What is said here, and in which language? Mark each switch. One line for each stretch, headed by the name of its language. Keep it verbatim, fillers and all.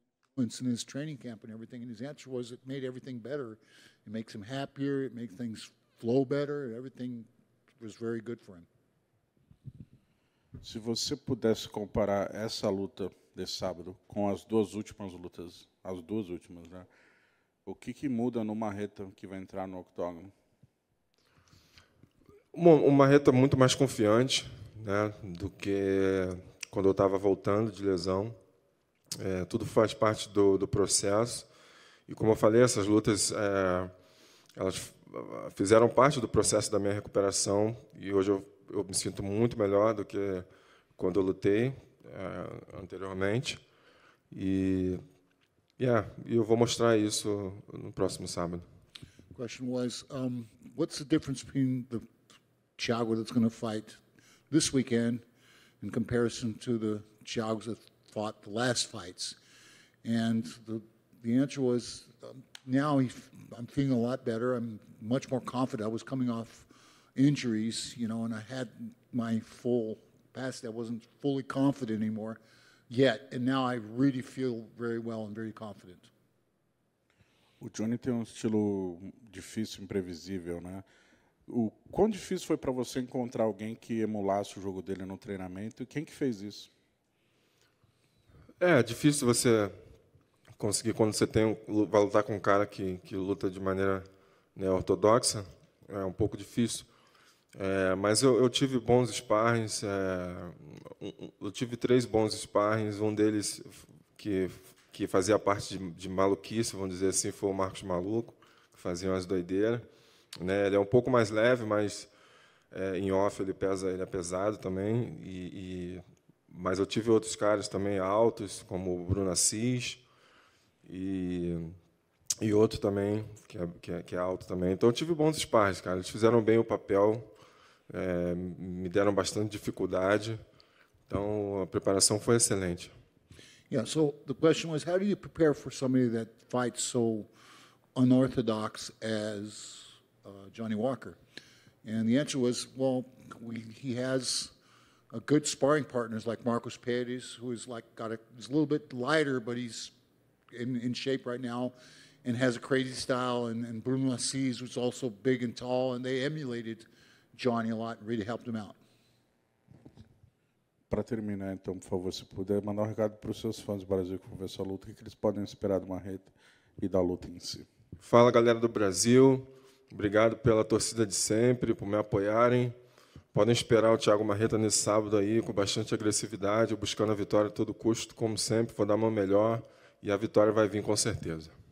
English: Influence in his training camp and everything. And his answer was, it made everything better. It makes him happier. It makes things flow better. Everything was very good for him.
Portuguese: Se você pudesse comparar essa luta desse sábado com as duas últimas lutas, as duas últimas, né? O que, que muda no Marreta que vai entrar no octógono? Uma, uma reta muito mais confiante, né, do que quando eu estava voltando de lesão. É, tudo faz parte do, do processo. E como eu falei, essas lutas, é, elas fizeram parte do processo da minha recuperação e hoje eu, eu me sinto muito melhor do que quando eu lutei é, anteriormente. E yeah, eu vou mostrar isso no próximo sábado.
English: The question was, um, what's the difference between the Thiago that's going to fight this weekend in comparison to the Thiagos that fought the last fights? And the, the answer was, um, now he, I'm feeling a lot better. I'm much more confident. I was coming off injuries, you know, and I had my full capacity. I wasn't fully confident anymore yet. And now I really feel very well and very confident.
Portuguese: O Johnny tem um estilo difícil, imprevisível, né? O quão difícil foi para você encontrar alguém que emulasse o jogo dele no treinamento? E quem que fez isso? É difícil você conseguir quando você tem um, vai lutar com um cara que, que luta de maneira neortodoxa, é um pouco difícil. É, mas eu, eu tive bons sparrings, é, eu tive três bons sparrings, um deles que, que fazia parte de, de maluquice, vamos dizer assim, foi o Marcos Maluco, que fazia umas doideiras. Né, ele é um pouco mais leve, mas é, em off ele pesa, ele é pesado também. E, e, mas eu tive outros caras também altos, como o Bruno Assis e, e outro também, que é, que, é, que é alto também. Então eu tive bons sparres, cara. Eles fizeram bem o papel, é, me deram bastante dificuldade. Então a preparação foi excelente.
English: Yeah, so the question was, how do you prepare for somebody that fights so unorthodox as Uh, Johnny Walker? And the answer was, well, we, he has a good sparring partners like Marcos Paredes, who is like got a, he's a little bit lighter, but he's in, in shape right now and has a crazy style, and, and Bruno Assis, who's also big and tall, and they emulated Johnny a lot and really helped him out.
Portuguese: Para terminar, então, por favor, se puder, mandar um recado para os seus fãs do Brasil que vão ver essa luta, o que eles podem esperar de uma reta e da luta em si. Fala, galera do Brasil. Obrigado pela torcida de sempre, por me apoiarem. Podem esperar o Thiago Marreta nesse sábado aí, com bastante agressividade, buscando a vitória a todo custo, como sempre. Vou dar o meu melhor e a vitória vai vir com certeza.